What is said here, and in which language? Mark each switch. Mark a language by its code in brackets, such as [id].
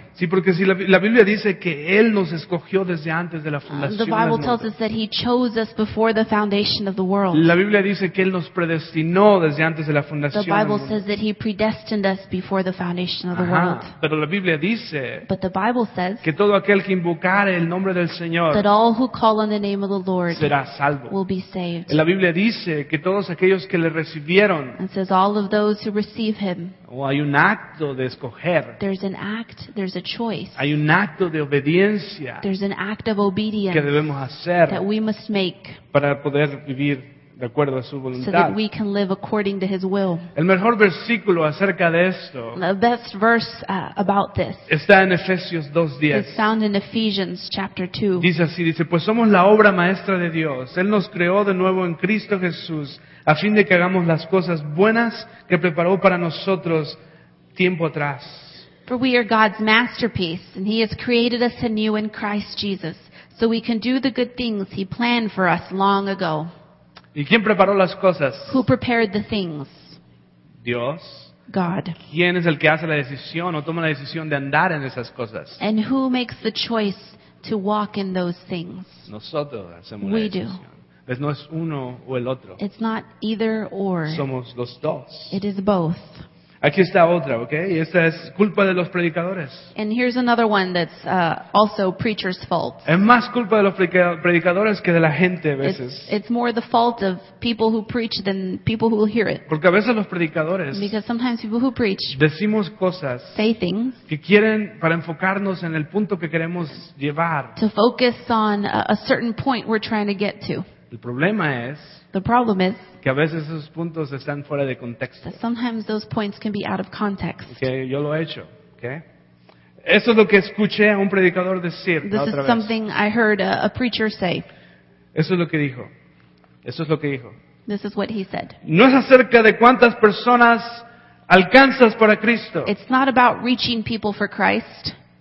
[es] Sí, porque si la Biblia dice que Él nos escogió desde antes de la fundación del mundo. [en] The Bible tells us that He chose us before the foundation of the world. [es] La Biblia dice que Él nos predestinó desde antes de la fundación del mundo. [en] The Bible says that He predestined us before the foundation of the world. [es] Pero la Biblia dice, [en] but the Bible says, [es] que todo aquel que invocare el nombre del Señor, [en] that all who call on the name of the Lord, [es] será salvo. [en] Will be saved. [es] La Biblia dice que todos aquellos que le recibieron, [en] and says all of those who receive Him, [es] o hay un acto de escoger. [en] There's an act, there's a choice. [es] Hay un acto de obediencia. [en] There's an act of obedience [es] que debemos hacer, [en] that we must make, [es] para poder vivir de acuerdo a su voluntad. [en] So that we can live according to His will. [es] El mejor versículo acerca de esto, [en] the best verse about this, [es] está en Efesios 2:10. [en] It's found in Ephesians chapter 2. [es] Dice así, dice, pues somos la obra maestra de Dios. Él nos creó de nuevo en Cristo Jesús a fin de que hagamos las cosas buenas que preparó para nosotros tiempo atrás. [en] For we are God's masterpiece, and He has created us anew in Christ Jesus, so we can do the good things He planned for us long ago. [es] ¿Y quién preparó las cosas? [en] Who prepared the things? [es] Dios. [en] God. [es] ¿Quién es el que hace la decisión o toma la decisión de andar en esas cosas? [en] And who makes the choice to walk in those things? [es] Nosotros hacemos [en] we [es] la decisión. [en] Do. [es] Pues no es uno o el otro. [en] It's not either or. [es] Somos los dos. [en] It is both. [es] Aquí está otra, ¿okay? Y esta es culpa de los predicadores. [en] And here's another one that's also preacher's fault. [es] Es más culpa de los predicadores que de la gente a veces. [en] It's more the fault of people who preach than people who hear it. [es] Porque a veces los predicadores, [en] because sometimes people who preach, [es] decimos cosas, [en] say things, [es] que quieren para enfocarnos en el punto que queremos llevar, [en] to focus on a certain point we're trying to get to. [es] El problema es, [en] the problem is, [es] que a veces esos puntos están fuera de contexto. [en] That sometimes those points can be out of context. [es] Okay, yo lo he hecho, okay? Eso es lo que escuché a un predicador decir. [en] This [es] otra [en] is Something I heard a preacher say. [es] Eso es lo que dijo. Eso es lo que dijo. [en] This is what he said. [es] No es acerca de cuántas personas alcanzas para Cristo. [en] It's not about reaching people for Christ.